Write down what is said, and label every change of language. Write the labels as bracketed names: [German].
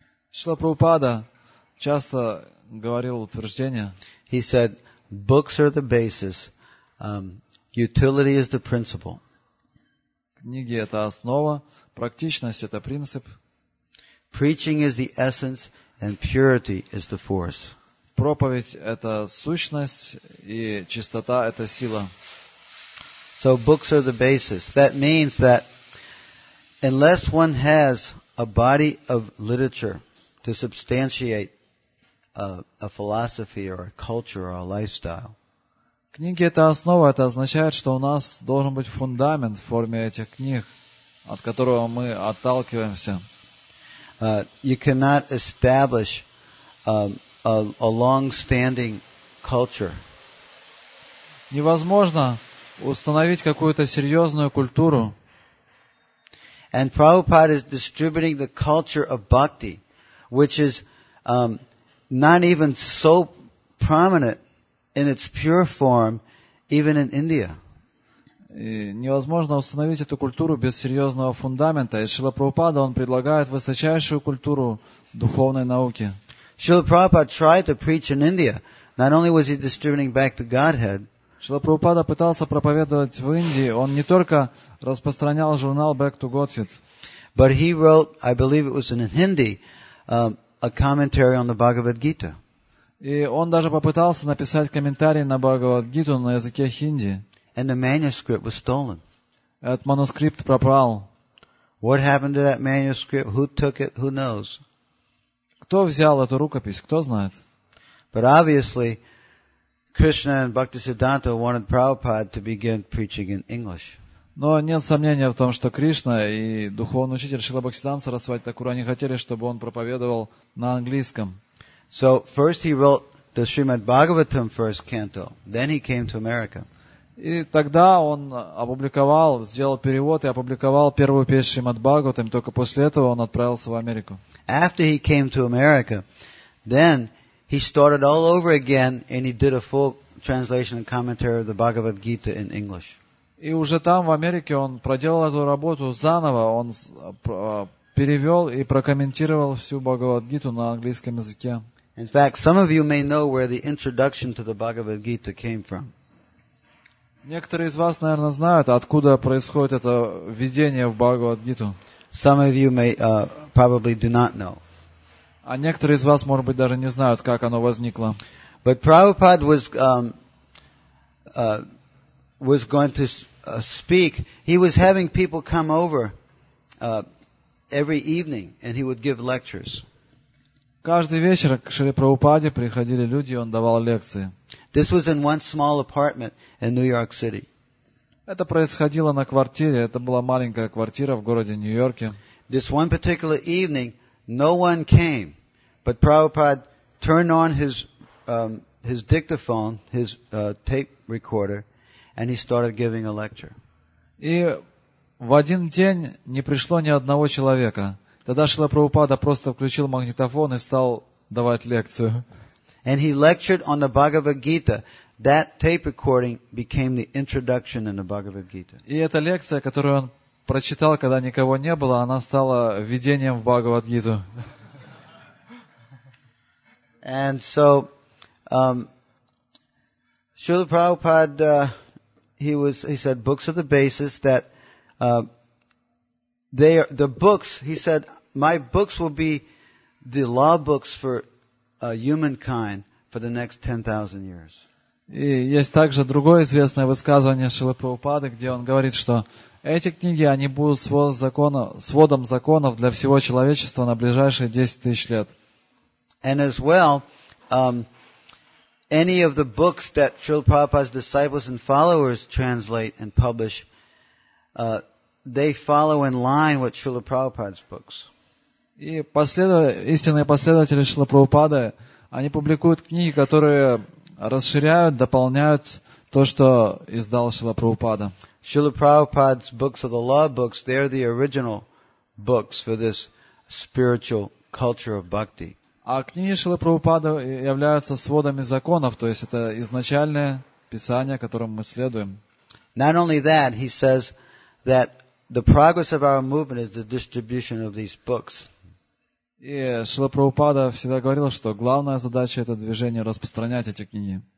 [Russian] Шрила Прабхупада часто говорил утверждения. [English] He said, books are the basis, utility is the principle. [Russian] Книги — это основа, практичность — это принцип. [English] Preaching is the essence and purity is the force. [Russian] Проповедь — это сущность, и чистота — это сила. [English] So books are the basis. That means that unless one has a body of literature to substantiate a philosophy or a culture or a lifestyle. [Russian] Книги — это основа. Это означает, что у нас должен быть фундамент в форме этих книг, от которого мы отталкиваемся. [English] You cannot establish a long-standing culture. [Russian] Невозможно установить какую-то серьезную культуру. [English] And Prabhupada is distributing the culture of bhakti, which is not even so prominent in its pure form, even in India. [Russian] И невозможно установить эту культуру без серьезного фундамента. И Шрила Прабхупада, он предлагает высочайшую культуру духовной науки. [English] Шрила Прабхупада tried to preach in India. Not only was he distributing back to Godhead, [Russian] Шрила Прабхупада пытался проповедовать в Индии. Он не только распространял журнал Back to Godhead, [English] but he wrote, I believe it was in Hindi, a commentary on the Bhagavad Gita. [Russian] И он даже попытался написать комментарий на Бхагавад Гиту на языке хинди. [English] And the manuscript was stolen. [Russian] Этот манускрипт пропал. [English] What happened to that manuscript? Who took it? Who knows? [Russian] Кто взял эту рукопись? Кто знает? [English] But obviously, Krishna and Bhaktisiddhanta wanted Prabhupada to begin preaching in English. [Russian] Но нет сомнения в том, что Кришна и духовный учитель Шрила Бхактисиддханта Сарасвати Такура не хотели, чтобы он проповедовал на английском. [English] So first he wrote the Srimad Bhagavatam first canto. Then he came to America. [Russian] И тогда он опубликовал, сделал перевод и опубликовал первую песню Шримад Бхагаватам, только после этого он отправился в Америку. [English] After he came to America, then he started all over again and he did a full translation and commentary of the Bhagavad Gita in English. [Russian] И уже там, в Америке, он проделал эту работу заново, он перевел и прокомментировал всю Бхагавад Гиту на английском языке. [English] In fact, some of you may know where the introduction to the Bhagavad Gita came from. [Russian] Некоторые из вас, наверное, знают, откуда происходит это введение в Бхагавад-гиту. [English] Some of you may probably do not know. [Russian] А некоторые из вас, может быть, даже не знают, как оно возникло. [English] But Prabhupada was going to speak. He was having people come over every evening, and he would give lectures. [Russian] Каждый вечер к Шри Прабхупаде приходили люди, и он давал лекции. [English] This was in one small apartment in New York City. [Russian] Это происходило на квартире. Это была маленькая квартира в городе Нью-Йорке. [English] This one particular evening, no one came, but Prabhupada turned on his dictaphone, his tape recorder, and he started giving a lecture. [Russian] И в один день не пришло ни одного человека. Тогда Шрила Прабхупада просто включил магнитофон и стал давать лекцию. [English] And he lectured on the Bhagavad Gita. That tape recording became the introduction in the Bhagavad Gita. [Russian] И эта лекция, которую он прочитал, когда никого не было, она стала введением в Бхагавад Гиту. [English] And so, Srila Prabhupada, he said, books are the basis that they are the books. He said, my books will be the law books for humankind for the next 10,000 years. [Russian] И есть также другое известное высказывание Шрилы Прабхупады, где он говорит, что эти книги, они будут сводом законов для всего человечества на ближайшие 10,000 лет. [English] And as well, any of the books that Srila Prabhupada's disciples and followers translate and publish, they follow in line with Srila Prabhupada's books. [Russian] И истинные последователи Шрилы Прабхупады, они публикуют книги, которые расширяют, дополняют то, что издал Шрила Прабхупада. [English] Шрила Прабхупада's books are the law books. They are the original books for this spiritual culture of bhakti. [Russian] А книги Шрилы Прабхупады являются сводами законов, то есть это изначальное писание, которым мы следуем. [English] Not only that, he says that the progress of our movement is the distribution of these books. [Russian] И Шрила Прабхупада всегда говорил, что главная задача этого движения — распространять эти книги.